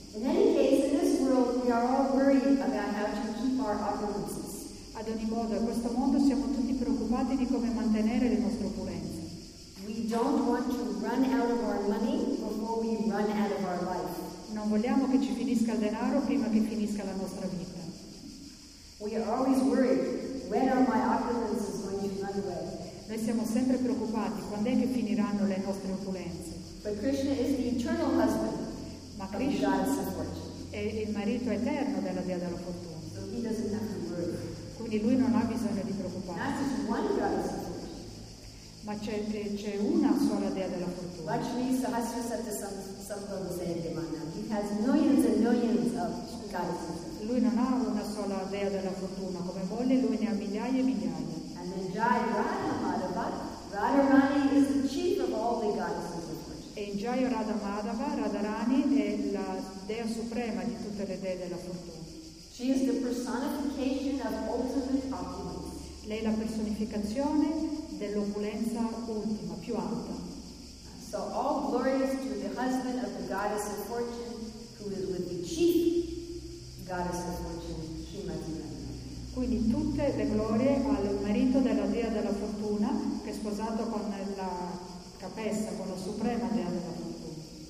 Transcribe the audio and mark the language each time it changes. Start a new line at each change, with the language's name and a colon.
English: In any case, in this world we are all worried about how to keep our opulences.
Italian: Ad ogni modo, in questo mondo siamo tutti preoccupati di come mantenere le nostre opulenze.
English: We don't want to run out of our money before we run out of our life.
Italian: Non vogliamo che ci finisca il denaro prima che finisca la nostra vita.
English: We are always worried, when are my opulences going to run away?
Italian: Noi siamo sempre preoccupati, quando è che finiranno le nostre opulenze?
English: But Krishna is the eternal husband.
Italian: Ma Krishna
English: of the goddess of fortune.
Italian: È il marito eterno della dea della fortuna.
English: So he doesn't have to worry.
Italian: Quindi lui non ha bisogno di preoccuparsi.
English: Not just one goddess of fortune.
Italian: Ma c'è una sola dea della fortuna.
English: Lakshmi Sahasra Satyasambhavadevana. He has millions and millions of goddesses.
Italian: Lui non ha una sola dea della fortuna, come vuole, lui ne ha migliaia e migliaia.
English: And then Jayarada Madhava, Radharani is the chief of all the goddesses of fortune.
Italian: E in Jayarada Madhava, Radharani è la dea suprema di tutte le dee della fortuna.
English: She is the personification of ultimate opulence.
Italian: Lei è la personificazione dell'opulenza ultima, più alta.
English: So all glories to the husband of the goddess of fortune, who is with the chief goddess of fortune, Srimati Radharani.
Italian: Quindi tutte le glorie al marito della dea della fortuna, che è sposato con la capessa, con la suprema dea della fortuna.